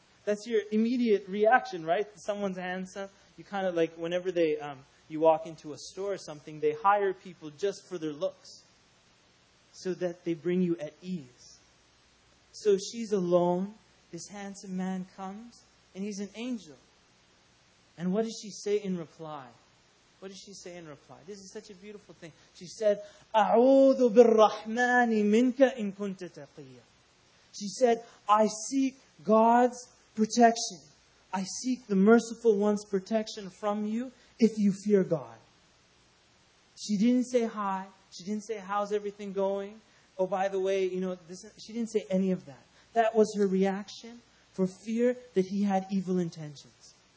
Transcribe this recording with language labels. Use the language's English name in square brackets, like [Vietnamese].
[English] That's your immediate reaction, right? Someone's handsome. You kind of like, whenever they you walk into a store or something, they hire people just for their looks, so that they bring you at ease. So she's alone. This handsome man comes, and he's an angel. And what does she say in reply? What does she say in reply? This is such a beautiful thing. She said, [Arabic] أَعُوذُ بِالرَّحْمَانِ مِنْكَ إِن كُنْتَ تَقِيًّا. [English] She said, I seek God's protection. I seek the Merciful One's protection from you if you fear God. She didn't say hi. She didn't say, how's everything going? Oh, by the way, you know, this, she didn't say any of that. That was her reaction for fear that he had evil intentions.